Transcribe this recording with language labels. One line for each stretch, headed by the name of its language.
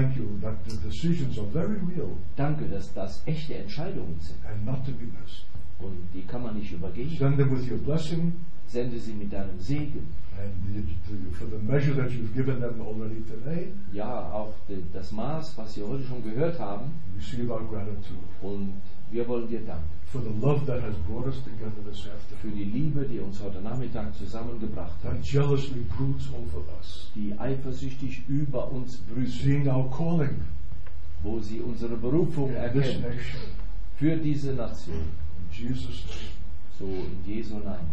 English: Thank you that the decisions are very real.
German: Danke, dass das echte Entscheidungen sind.
English: And not to be missed.
German: Und die kann man nicht übergehen.
English: Send them with your blessing.
German: Sende sie mit deinem Segen.
English: For the measure that you've given them already today,
German: ja, auch das Maß, was sie heute schon gehört haben,
English: receive our gratitude.
German: Und wir wollen dir danken.
English: For the love that has brought us together this afternoon.
German: Für die Liebe, die uns heute Nachmittag zusammengebracht hat.
English: That jealously broods over us.
German: Die eifersüchtig über uns brütet.
English: Seeing our calling,
German: wo sie unsere Berufung erkennt. Für diese Nation.
English: In Jesus' name.
German: So in Jesu Namen.